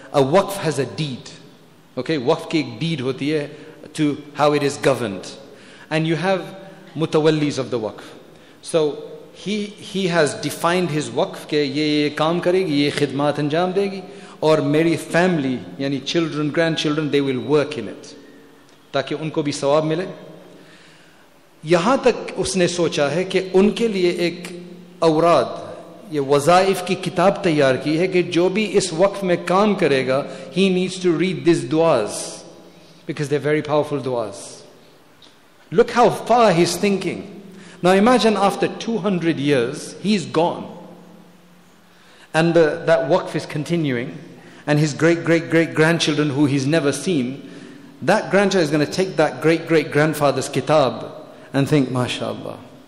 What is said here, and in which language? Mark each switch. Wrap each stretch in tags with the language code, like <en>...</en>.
<en>A waqf has a deed. Okay,</en> <hi>वक़्फ़ की एक deed होती है</hi> <en>to how it is governed. And you have mutawallis of the waqf. So he has defined his waqf</en> <hi>ke ye kaam karegi, ye khidmat anjam degi, aur meri family, yani</hi> <en>children, grandchildren, they will work in it.</en> <hi>ताकि उनको भी सवाब मिले। यहां तक उसने सोचा है के उनके लिए एक औराद, ये वज़ाइफ़ की किताब तैयार की है के जो भी इस वक़्फ़ में काम करेगा,</hi> <en>he needs to read these duas, because they're very powerful duas. Look how far he's thinking. Now imagine after 200 years, he's gone. And that waqf is continuing. And his great-great-great-grandchildren, who he's never seen, that grandchild is going to take that great-great-grandfather's kitab and think, mashallah.</en>